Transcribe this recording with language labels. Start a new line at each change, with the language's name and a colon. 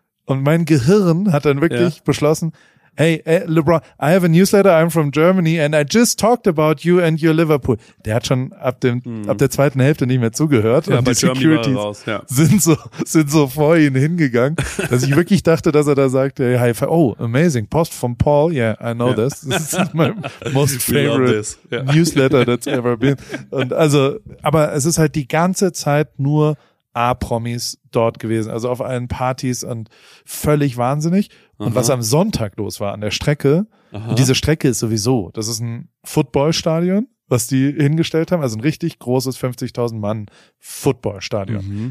German: Und mein Gehirn hat dann wirklich beschlossen,
English: hey, LeBron, I have a newsletter, I'm from Germany and I just talked about you and your Liverpool.
German: Der hat schon ab dem ab der zweiten Hälfte nicht mehr zugehört. Ja, und die Securities sind so vor ihn hingegangen, dass ich wirklich dachte, dass er da sagt,
English: hey, oh, amazing, Post from Paul, yeah, I know this. This is my most favorite newsletter that's ever been.
German: Und also, aber es ist halt die ganze Zeit nur A-Promis dort gewesen, also auf allen Partys und völlig wahnsinnig. Und was am Sonntag los war an der Strecke, und diese Strecke ist sowieso, das ist ein Footballstadion, was die hingestellt haben, also ein richtig großes 50.000 Mann Footballstadion.